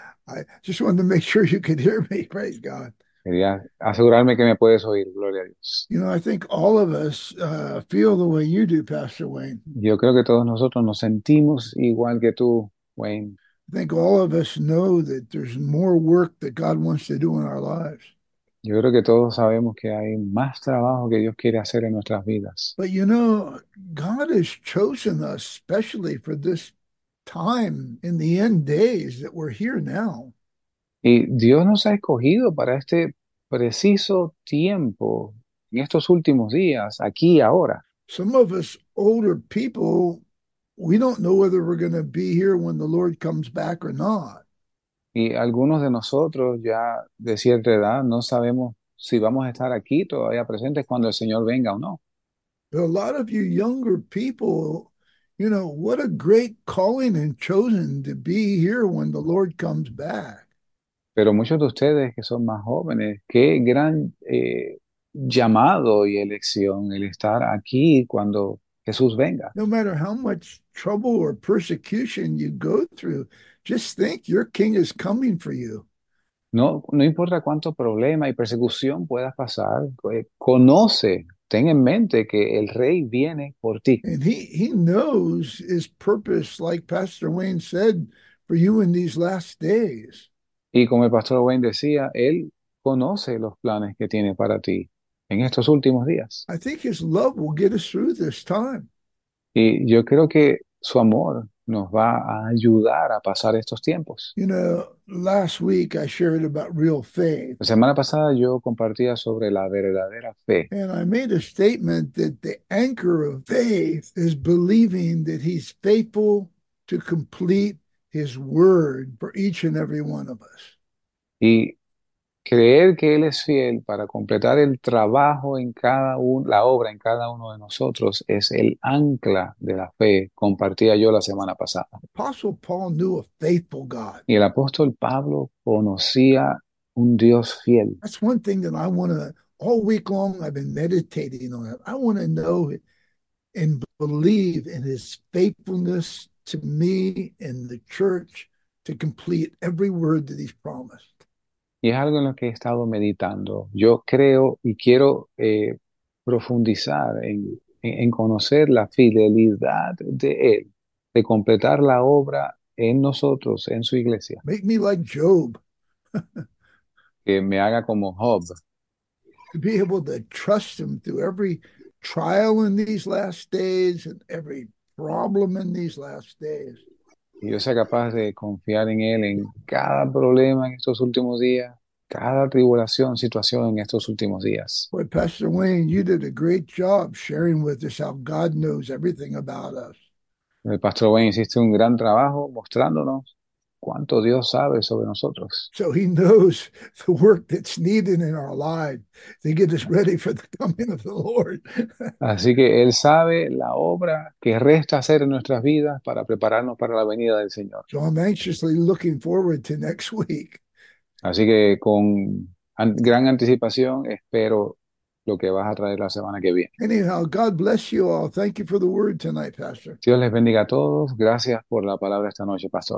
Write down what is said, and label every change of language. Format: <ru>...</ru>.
<en>I just wanted to make sure you could hear me. Praise God.</en> <es>Quería asegurarme que me puedes oír. Gloria a Dios.</es> <en>You know, I think all of us feel the way you do, Pastor Wayne.</en> <es>Yo creo que todos nosotros nos sentimos igual que tú, Wayne.</es> <en>I think all of us know that there's more work that God wants to do in our lives.</en> <es>Yo creo que todos sabemos que hay más trabajo que Dios quiere hacer en nuestras vidas.</es> <en>But you know, God has chosen us especially for this time in the end days that we're here now.</en> <es>Y Dios nos ha escogido para este preciso tiempo, en estos últimos días, aquí y ahora.</es> <en>Some of us older people, we don't know whether we're going to be here when the Lord comes back or not.</en> <es>Y algunos de nosotros ya de cierta edad no sabemos si vamos a estar aquí todavía presentes cuando el Señor venga o no.</es> <en>But a lot of you younger people, you know, what a great calling and chosen to be here when the Lord comes back.</en> <es>Pero muchos de ustedes que son más jóvenes, qué gran llamado y elección el estar aquí cuando Jesús venga.</es> <en>No matter how much trouble or persecution you go through, just think your king is coming for you.</en> <es>No importa cuánto problema y persecución puedas pasar, conoce, ten en mente que el rey viene por ti.</es> <en>And he knows his purpose, like Pastor Wayne said, for you in these last days.</en> <es>Y como el pastor Wayne decía, él conoce los planes que tiene para ti en estos últimos días.</es> <en>I think his love will get us through this time.</en> <es>Y yo creo que su amor nos va a ayudar a pasar estos tiempos.</es> <en>You know, last week I shared about real</en> <es>La</es> <en>faith.</en> <es>semana pasada yo compartía sobre la verdadera fe.</es> <en>And I made a statement that the anchor of faith is believing that he's faithful to complete his word for each and every one of us.</en> <es>Y creer que Él es fiel para completar el trabajo en cada uno, la obra en cada uno de nosotros es el ancla de la fe, compartía yo la semana pasada.</es> <en>Apostle Paul knew a faithful God.</en> <es>Y el apóstol Pablo conocía un Dios fiel.</es> <en>That's one thing that I want to, all week long, I've been meditating on it. I want to know and believe in his faithfulness to me and the church to complete every word that he's promised.</en> <es>Y es algo en lo que he estado meditando. Yo creo y quiero profundizar en conocer la fidelidad de Él, de completar la obra en nosotros, en su iglesia.</es> <en>Make me like Job. To</en> <es>Que me haga como Job.</es> <en>be able to trust him through every trial in these last days and every problem in these last days.</en> <es>Yo sea capaz de confiar en Él en cada problema en estos últimos días. Cada tribulación, situación en estos últimos días.</es> <en>Boy, Pastor Wayne, you did a great job sharing with us how God knows everything about us.</en> <es>El pastor Wayne hiciste un gran trabajo mostrándonos ¿Cuánto Dios sabe sobre nosotros?</es> <en>So he knows the work that's needed in our lives to get us ready for the coming of the Lord.</en> <es>Así que Él sabe la obra que resta hacer en nuestras vidas para prepararnos para la venida del Señor.</es> <en>So I'm anxiously looking forward to next week.</en> <es>Así que con gran anticipación espero lo que vas a traer la semana que viene.</es> <en>Anyhow, God bless you all. Thank you for the word tonight, Pastor.</en> <es>Dios les bendiga a todos. Gracias por la palabra esta noche, Pastor.</es>